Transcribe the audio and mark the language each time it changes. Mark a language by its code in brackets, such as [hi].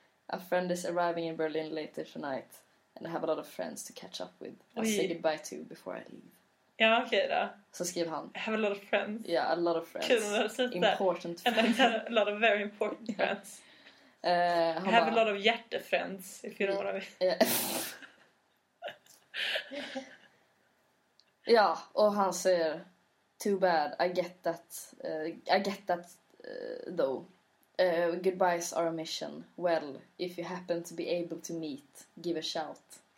[en] A friend is arriving in Berlin later tonight. And I have a lot of friends to catch up with. I'll say goodbye to before I leave. [sv] Ja, okej då. Så skriver han. [en] I have a lot of friends. Yeah, a lot of friends. [sv] Kul, [en] important friends. And I have a lot of very important friends. Yeah. I have a lot of hjärtefriends, if you know what I mean. Yeah. [sv] Ja, och han säger, [en] too bad, I get that though. Goodbyes are a mission. Well, if you happen to be able to meet, give a shout.